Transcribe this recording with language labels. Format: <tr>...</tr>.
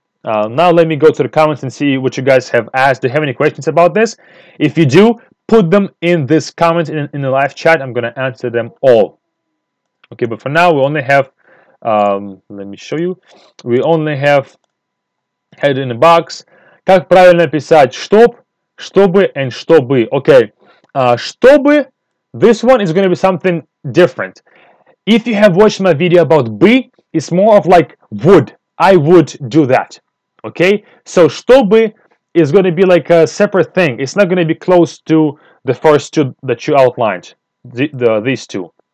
<en>Now let me go to the comments and see what you guys have asked. Do you have any questions about this? If you do, put them in this comment in the live chat. I'm going to answer them all. Okay, but for now, we only have, let me show you. We only have, head in the box.</en> <ru>Как правильно писать чтоб, чтобы, and чтобы.</ru> <en>Okay, чтобы, this one is going to be something different. If you have watched my video about бы, it's more of like would. I would do that. Okay, so чтобы is going to be like a separate thing. It's not going to be close to the first two that you outlined, these two.</en>